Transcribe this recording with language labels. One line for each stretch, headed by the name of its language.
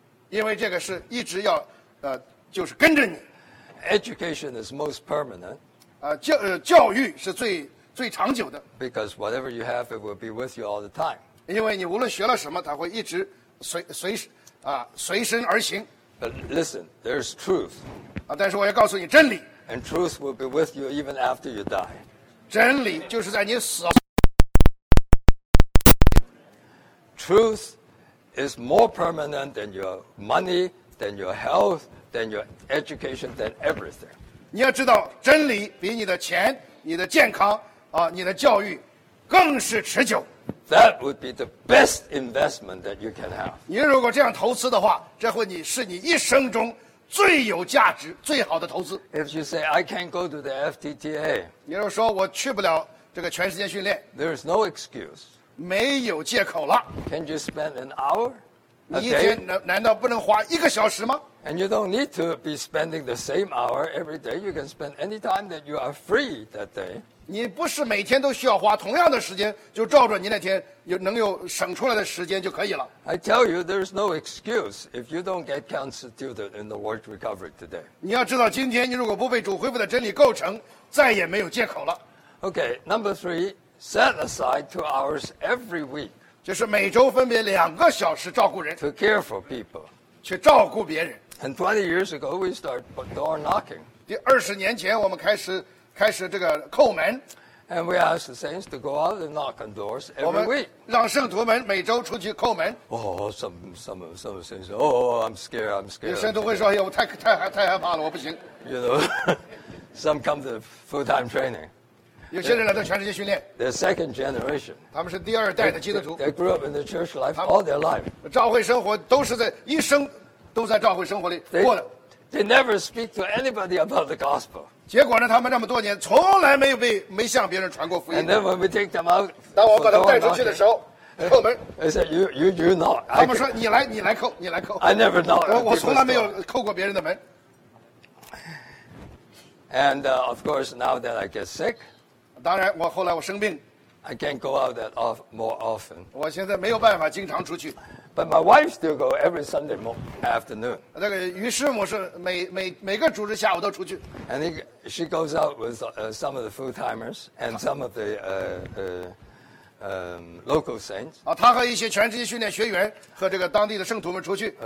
Chinese: 因为这个是一直要就是跟着你。
English: Education is most permanent.
Chinese: 教育是最长久的。
English: Because whatever you have, it will be with you all the time.
Chinese: 因为你无论学了什么，它会一直随身而行。
English: But listen, there's truth.
Chinese: 但是我要告诉你真理。
English: And truth will be with you even after you die.
Chinese: 真理就是在你死后。
English: Truth is more permanent than your money, than your health, than your education, than everything.
Chinese: 你要知道，真理比你的钱、你的健康、你的教育，更是持久。
English: That would be the best investment that you can have.
Chinese: 你如果这样投资的话，这会是你一生中最有价值、最好的投资。
English: If you say I can't go to the FTTA,
Chinese: 你要说我去不了这个全时间训练
English: ，There is no excuse,
Chinese: 没有借口了。
English: Can you spend an hour?
Chinese: 你一天难道不能花一个小时吗
English: ？And you don't need to be spending the same hour every day. You can spend any time that you are free that day.
Chinese: 你不是每天都需要花同样的时间，就照着你那天有能有省出来的时间就可以了。
English: I tell you, there is no excuse if you don't get constituted in the Lord's recovery today.
Chinese: 你要知道，今天你如果不被主恢复的真理构成，再也没有借口了。
English: Okay, number three, set aside 2 hours every week.
Chinese: 就是每周分别2个小时照顾人。
English: To care for people.
Chinese: 去照顾别人。
English: And 20 years ago, we started door knocking.
Chinese: 20年前我们开始这个叩门。
English: And we asked the saints to go out and knock on doors every week.
Chinese: 我们让圣徒们每周出去叩门。
English: Oh, some saints, oh, I'm scared.
Chinese: 有圣徒会说，我太害怕了，我不行。
English: You know, some come to full-time training.
Chinese: 有些人来到全世界训练。
English: They're second generation.
Chinese: 他们是第二代的基督徒。
English: They grew up in the church life all their life.
Chinese: 召会生活都是在一生都在召会生活里过的。
English: They never speak to anybody about the gospel.
Chinese: 结果呢，他们那么多年从来没向别人传过福音。
English: And then when we take them out,
Chinese: 当我把他们带出去的时候，叩门。
English: They said, "You knock."
Chinese: 他们说你来叩。
English: I never knock.
Chinese: 我从来没有叩过别人的门。
English: And of course, now that I get sick.
Chinese: 当然，我后来我生病
English: ，I can't go out that off more often.
Chinese: 我现在没有办法经常出去
English: ，But my wife still go every Sunday morning afternoon.
Chinese: 那个于师母是每个主日下午都出去
English: ，And she goes out with some of the full timers and some of the local saints.
Chinese: 啊，她和一些全职训练学员和这个当地的圣徒们出去